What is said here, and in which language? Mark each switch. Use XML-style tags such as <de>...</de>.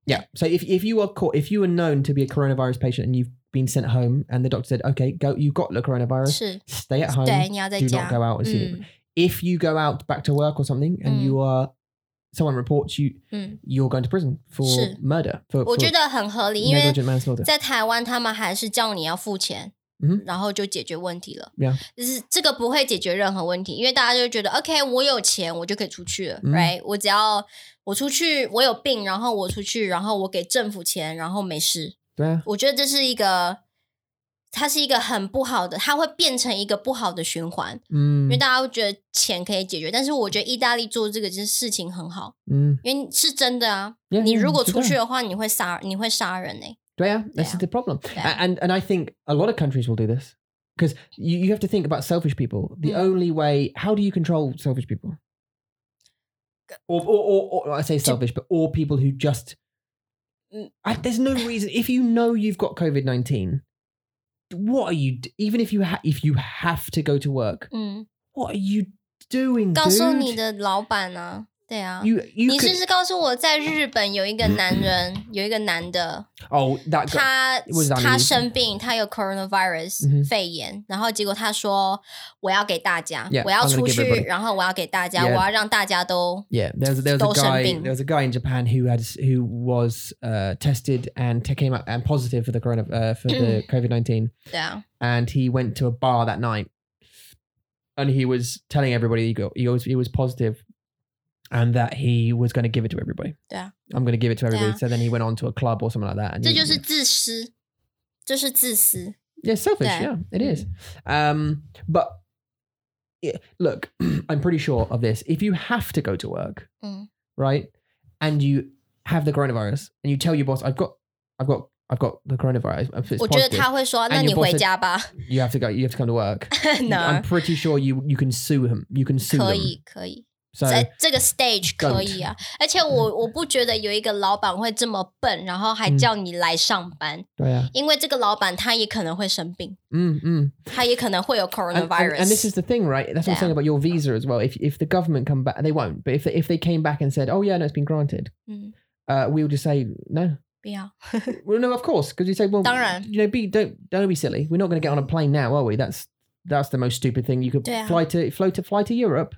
<en>Yeah, so if you are caught, if you are known to be a coronavirus patient and you've been sent home and the doctor said, okay, go, you've got the coronavirus, stay at home,</en> <zh>对,</zh> <en>do not go out and see people. If you go out back to work or something and you are, someone reports you, you're going to prison for murder.</en> <zh>For 我觉得很合理,</zh> <en>negligent manslaughter.</en> <zh>在台湾他们还是叫你要付钱。 Mm-hmm. 然后就解决问题了，这个不会解决任何问题， 因为大家就觉得 OK 我有钱我就可以出去了，</zh> <en>right?</en> <zh>我只要我出去我有病， 然后我出去， 然后我给政府钱， 然后没事。对啊，我觉得这是一个， 它是一个很不好的， 它会变成一个不好的循环。因为大家会觉得钱可以解决， 但是我觉得意大利做这个事情很好。因为是真的啊。</zh> <en>Yeah,</en> <zh>你如果出去的话， 你会杀人欸。</zh> <en>Yeah, that's the problem. Yeah. And I think a lot of countries will do this. Because you have to think about selfish people. The only way, how do you control selfish people? Or I say selfish, but or people who just... there's no reason. If you know you've got COVID-19, what are you... Even if you have to go to work, what are you doing, dude?</en> <zh>告诉你的老板啊。对啊, 你是不是告诉我在日本有一个男人, 有一个男的,</zh> <en>oh, that,</en> <zh>他,</zh> <en>what does that</en> <zh>他生病, 他有coronavirus, 肺炎, 然后结果他说, 我要给大家,</zh> <en>yeah,</en> <zh>我要出去, 然后我要给大家,</zh> <en>yeah.</en> <zh>我要让大家都,</zh> <en>yeah, there was a guy in Japan who was tested and came out and positive for the corona, for the COVID-19. Yeah. And he went to a bar that night and he was telling everybody he was positive. And that he was going to give it to everybody. Yeah. I'm going to give it to everybody. Yeah. So then he went on to a club or something like that. And</en> <zh>这就是自私, 这是自私。</zh> <en>Yeah, selfish,</en> <zh>对。</zh> <en>Yeah, it is. But yeah, look, I'm pretty sure of this. If you have to go to work, right, and you have the coronavirus, and you tell your boss, I've got the coronavirus.</en> <zh>我觉得他会说, 那你回家吧。</zh> <en>You have to come to work. No. I'm pretty sure you can sue him. You can sue</en> <zh>可以,</zh> <en>them.</en> <zh>可以。</zh> <en>So,</en> <zh>在这个 stage 可以啊， 而且我不觉得有一个老板会这么笨， 然后还叫你来上班。对啊，因为这个老板他也可能会生病。他也可能会有 coronavirus。</zh> <en>And this is the thing, right? That's what I'm saying about your visa as well. If the government come back, they won't, but if they came back and said, oh yeah, no, it's been granted, we would just say no.</en> <zh>不要。</zh> <en>Well, no, of course, because you say, well,</en> <zh>当然,</zh> <en>you know, don't be silly. We're not going to get on a plane now, are we? That's the most stupid thing. You could fly to Europe</en>